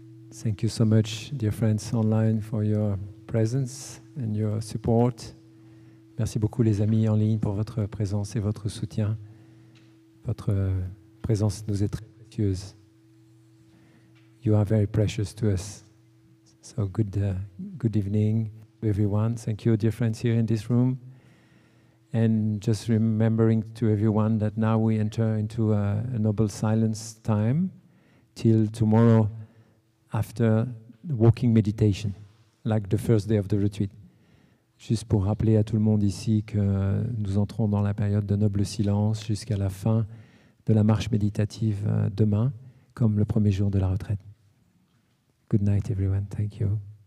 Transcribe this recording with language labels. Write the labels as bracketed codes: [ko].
[en] Thank you so much, dear friends online, for your presence and your support. [fr] Merci beaucoup, les amis en ligne, pour votre présence et votre soutien. Votre présence nous est très précieuse. [en] You are very precious to us. So good evening, everyone. Thank you, dear friends here in this room. And just remembering to everyone that now we enter into a noble silence time till tomorrow after the walking meditation, like the first day of the retreat. [fr] Juste pour rappeler à tout le monde ici que nous entrons dans la période de noble silence jusqu'à la fin de la marche méditative demain, comme le premier jour de la retraite. [en] Good night, everyone. Thank you.